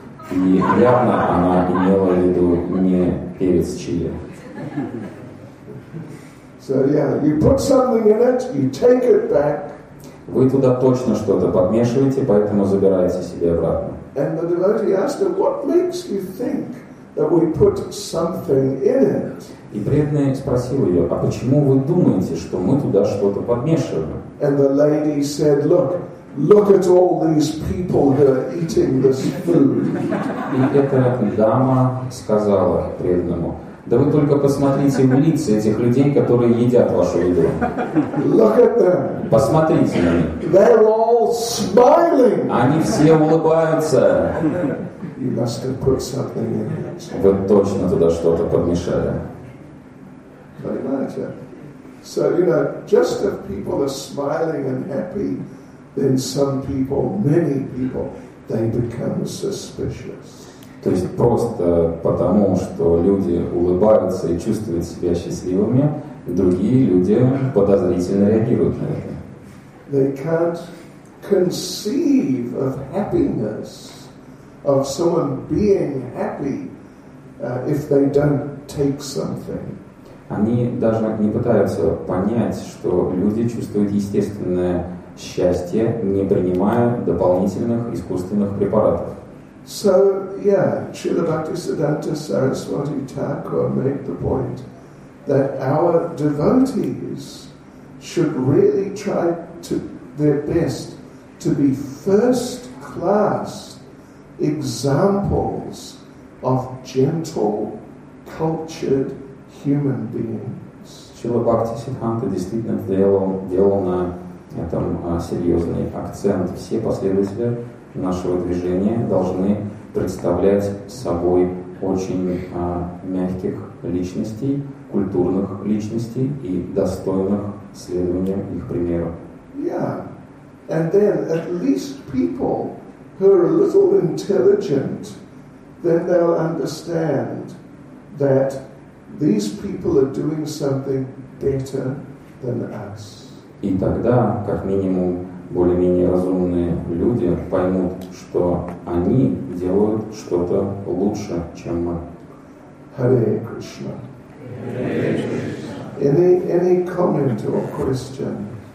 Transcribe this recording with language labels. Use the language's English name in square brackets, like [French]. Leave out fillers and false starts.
[Russian] И явно она имела в виду не перец чили. [English] So yeah, you put something in it, you take it back. [Russian] Вы туда точно что-то подмешиваете, поэтому забираете себе обратно. [English] And the devotee asked her, what makes you think that we put something in it? [Russian] И преданный спросил ее, а почему вы думаете, что мы туда что-то подмешиваем? [English] And the lady said, look, look at all these people who are eating this food. [Russian] И эта дама сказала преданному, да вы только посмотрите в лица этих людей, которые едят вашу еду. [English] Look at them. [Russian] Посмотрите на них. [English] They're all smiling. [Russian] Они все улыбаются. [English] You must have put something in it. [Russian] Вы точно туда что-то подмешали. Понимаете? [English] So, you know, just if people are smiling and happy, then some people, many people, they become suspicious. [Russian] То есть просто потому, что люди улыбаются и чувствуют себя счастливыми, другие люди подозрительно реагируют на это. [English] They can't conceive of happiness, of someone being happy, if they don't take something. [Russian] Они даже не пытаются понять, что люди чувствуют естественное счастье, не принимая дополнительных искусственных препаратов. [English] So, yeah, Śrīla Bhaktisiddhānta Saraswati Thakura made the point that our devotees should really try to their best to be first-class examples of gentle, cultured human beings. [Russian] Śrīla Bhaktisiddhānta действительно делал на этом серьезный акцент. Все последователи нашего движения должны представлять собой очень мягких личностей, культурных личностей и достойных следования их примеру. [English] Yeah, and then at least people who are a little intelligent, then they'll understand that these people are doing something better than us. [Russian] И тогда, как минимум, более-менее разумные люди поймут, что они делают что-то лучше, чем мы. [English] Hare Krishna. Any comment or question?